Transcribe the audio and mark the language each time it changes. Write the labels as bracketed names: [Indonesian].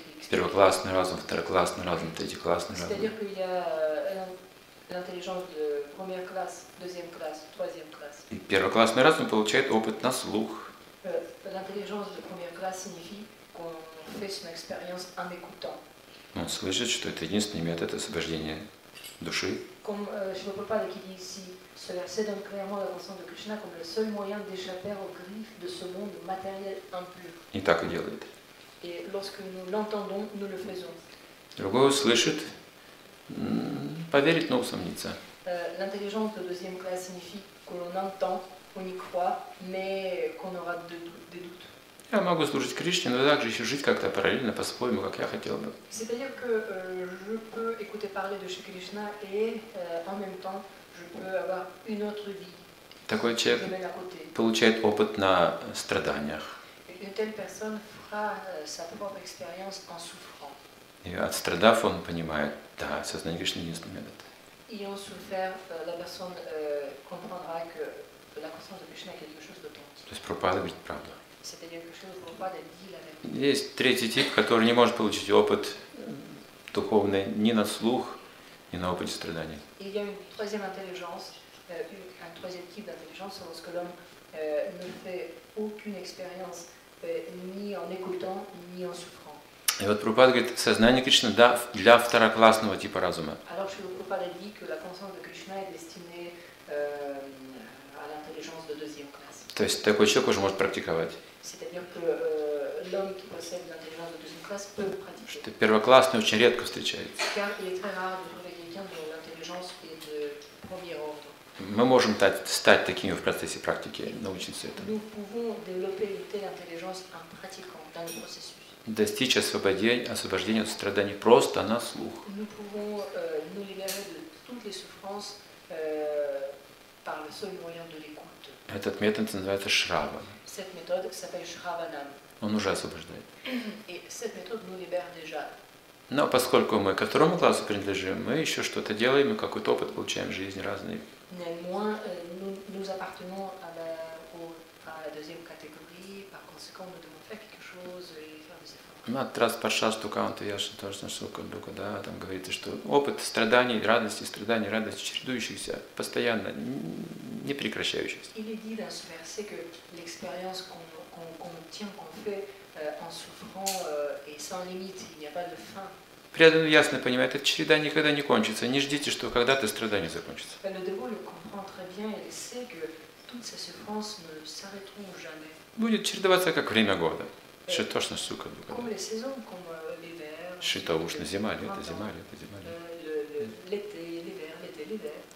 [Russian] Первоклассный разум, второклассный разум, третий классный разум. [French] C'est-à-dire qu'il y a l'intelligence de première classe, deuxième classe, troisième classe. [Russian] И первоклассный разум получает опыт на слух. [French] L'intelligence de première classe signifie qu'on fait son expérience en écoutant. [Russian] Он слышит, что это единственный метод освобождения души. [French] Comme Shiva Prabhupada qui dit ici, cela cède clairement à l'ensemble de Krishna comme le seul moyen d'échapper aux griffes de ce monde matériel impur. [Russian] И так и делает. [French] Et lorsque nous l'entendons, nous le faisons. [Russian] Другой услышит, поверить, но усомниться. [French] L'intelligence de deuxième classe signifie que l'on entend, on y croit, mais qu'on aura des doutes. [Russian] Я могу служить Кришне, но также еще жить как-то параллельно, по-своему, как я хотел бы. [French] C'est-à-dire que je peux écouter parler de Shri Krishna et en même temps je peux avoir une autre vie. [Russian] Такой человек получает опыт на страданиях. [French] Une telle personne fera sa propre expérience en souffrant. [Russian] И отстрадав, он понимает, да, сознание Кришны единственный метод. [French] Et en souffert, la personne comprendra que la conscience de Krishna est quelque chose d'authentique. [Russian] То есть Прабхупада говорит правду. [French] C'est-à-dire que [Russian] есть третий тип, который не может получить опыт духовный ни на слух, ни на опыте страданий. [French] Il y a une troisième intelligence, un troisième type d'intelligence, lorsque l'homme ne fait aucune expérience ni en écoutant ni en souffrant. [Russian] И вот Прабхупада говорит, сознание Кришны да для второклассного типа разума. [French] Alors Shri Prabhupada dit que la conscience de Krishna est destinée à l'intelligence de deuxième classe. [Russian] То есть такой человек уже может практиковать. [French] C'est-à-dire que l'homme qui possède l'intelligence de deuxième classe peut pratiquer. [Russian] Что первоклассный очень редко встречается. [French] Car il est très rare de trouver quelqu'un dont l'intelligence est de premier ordre. [Russian] Мы можем стать такими в процессе практики, научиться этому. [French] Nous pouvons développer une telle intelligence en pratiquant dans le processus. [Russian] Достичь освобождения от страданий просто на слух. [French] Nous pouvons nous libérer de toutes les souffrances par le seul moyen de l'écoute. [Russian] Этот метод называется шрава. [French] Cette méthode s'appelle Shravanam. [Russian] Он уже освобождает. [French] Et cette méthode nous libère déjà. [Russian] Но поскольку мы ко второму классу принадлежим, мы еще что-то делаем, мы какой-то опыт получаем в жизни разный. [French] Néanmoins, nous appartenons à la deuxième catégorie, par conséquent, nous devons faire quelque chose et faire des efforts. [Russian] Ну, от раз паршас тукаунта яши тоже нашел кандука, да, там говорится, что опыт страданий, радости, чередующихся, постоянно, не прекращающихся. [French] Il est dit dans ce verset que l'expérience qu'on obtient, qu'on fait en souffrant est sans limite, il n'y a pas de fin. [Russian] Преданный ясно понимает, эта череда никогда не кончится, не ждите, что когда-то страдание закончится. [French] Le dévot comprend très bien, il sait que toutes ces souffrances ne s'arrêteront jamais. [Russian] Будет чередоваться как время года. [Sanskrit] Шитошна сука. [French] Comme les saisons, comme l'hiver. [Russian] Шитоушна, зима, лето, зима, лето, зима. [French] L'été, l'hiver, l'été, l'hiver.